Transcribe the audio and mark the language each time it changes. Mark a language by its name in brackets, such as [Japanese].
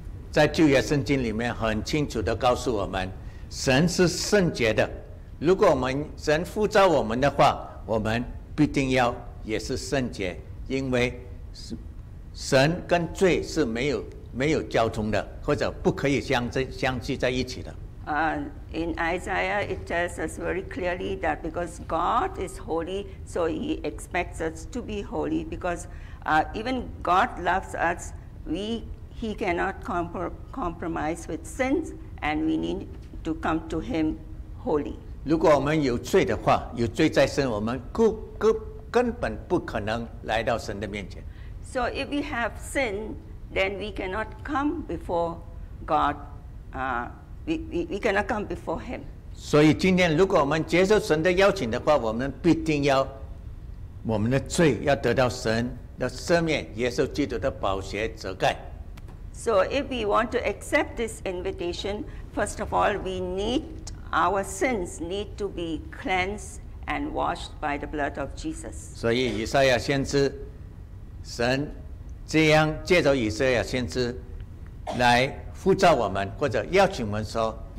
[Chinese] 在旧约圣经里面很清楚地告诉我们，神是圣洁的。如果我们神呼召我们的话，我们必定要也是圣洁, 因为神跟罪是没有交通的, 或者不可以相聚在一起的。 [English] In Isaiah, it tells us very clearly that because God is holy, so he expects us to be holy. Because even God loves us, he cannot compromise with sins, and we need to come to him holy. [Chinese] 如果我们有罪的话, 有罪在身, 我们根本不可能来到神的面前。 [English] So if we have sin, then we cannot come before God. We cannot come before him. [Chinese] 所以今天如果我们接受神的邀请的话, 我们必定要我们的罪要得到神的赦免，耶稣基督的宝血遮盖。 [English] So if we want to accept this invitation, first of all, we need our sins need to be cleansed and washed by the blood of Jesus. [Chinese] 所以以赛亚先知，神这样借着以赛亚先知来呼召我们，或者邀请我们说。